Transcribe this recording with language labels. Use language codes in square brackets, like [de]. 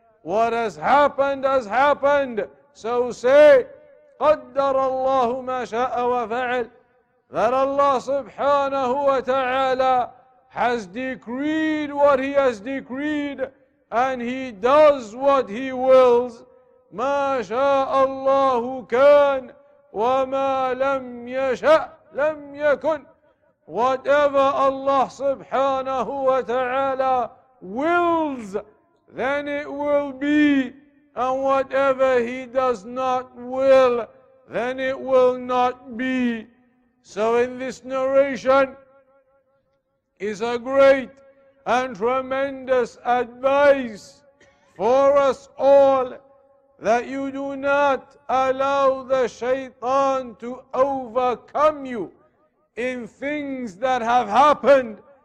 [en] What has happened, so say, [ar] قدر الله ما شاء وفعل, [en] that Allah subhanahu wa ta'ala has decreed what He has decreed, and He does what He wills. [ar] ما شاء الله كان وما لم يشأ لم يكن. [en] Whatever Allah subhanahu wa ta'ala wills, then it will be, and whatever He does not will, then it will not be. So in this narration is a great and tremendous advice for us all, that you do not allow the shaitan to overcome you in things that have happened.